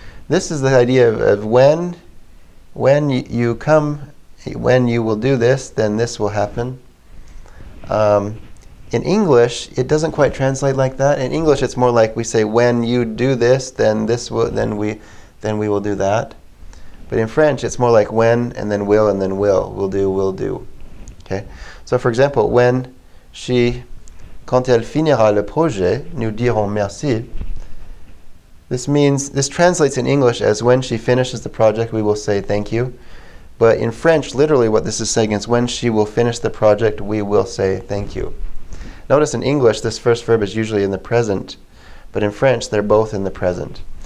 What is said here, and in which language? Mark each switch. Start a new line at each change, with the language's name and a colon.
English: This is the idea of when you will do this, then this will happen. In English, it doesn't quite translate like that. In English, it's more like we say, when you do this, then we will do that. But in French, it's more like when, and then will, and then will. Will do. Okay. So for example,
French: quand elle finira le projet, nous dirons merci.
English: This translates in English as when she finishes the project, we will say thank you. But in French, literally what this is saying is when she will finish the project, we will say thank you. Notice in English, this first verb is usually in the present, but in French, they're both in the present.